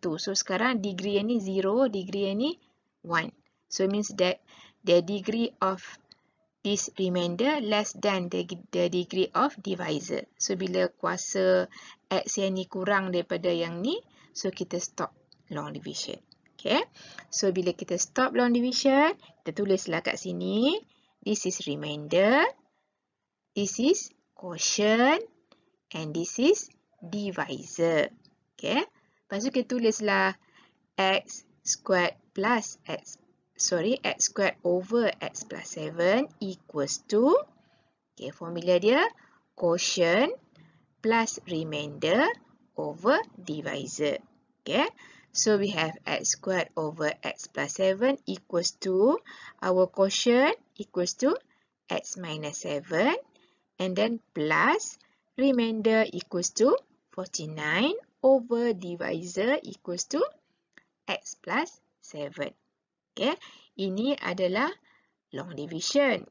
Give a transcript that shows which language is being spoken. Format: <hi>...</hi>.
<ms>So sekarang degree yang ni 0, degree yang ni 1.</ms> <en>So it means that the degree of this remainder less than the degree of divisor.</en> <ms>So bila kuasa x yang ni kurang daripada yang ni, so kita stop long division. Okay. So bila kita stop long division, kita tulislah kat sini.</ms> <en>This is remainder. This is quotient. And this is divisor. Okay.</en> <ms>Lepas tu kita tulislah</ms> <en>x squared plus x. Sorry, x squared over x plus 7 equals to, okay,</en> <ms>formula dia,</ms> <en>quotient plus remainder over divisor. Okay. So we have x squared over x plus 7 equals to, our quotient equals to x minus 7 and then plus remainder equals to 49 over divisor equals to x plus 7.</en> <ms>Okay, ini adalah long division.</ms>